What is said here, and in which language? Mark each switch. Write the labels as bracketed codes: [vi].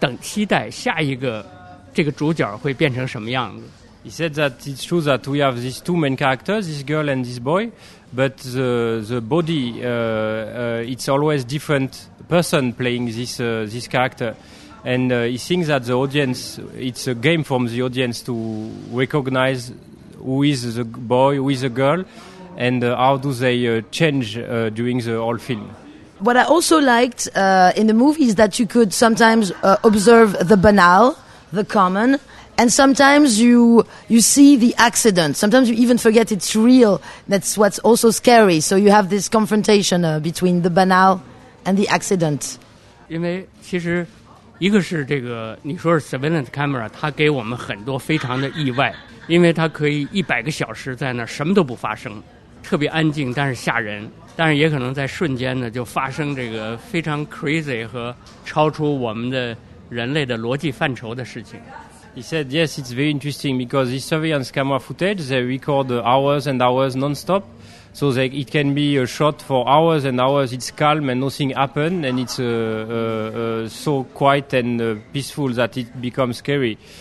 [zh] 就是我是觉得我们这个主演呢，比如说男主角和女主角，其实它是由很多的人构成的。所以呢，那个观众看的时候呢，其实更吸引观众，因为呢，观众会等期待下一个。这个主角会变成什么样子？ [en] He said that it's true that we have these two main characters, this girl and this boy, but the body, it's always different person playing this this character. And he thinks that the audience, it's a game from the audience to recognize who is the boy, who is the girl, and how do they change during the whole film. What I also liked in the movie is that you could sometimes observe the banal, the common, and sometimes you see the accident. Sometimes you even forget it's real. That's what's also scary. So you have this confrontation between the banal and the accident. Because surveillance camera, it gives us a lot of surprises. Because it can be 100 hours there, nothing happens. It's very quiet, but it's scary. But it can also happen in a very crazy and [zh] 人类的逻辑范畴的事情。 [en] He said, yes, it's very interesting because these surveillance camera footage, they record hours and hours non-stop. So it can be a shot for hours and hours. It's calm and nothing happened. And it's so quiet and peaceful that it becomes scary.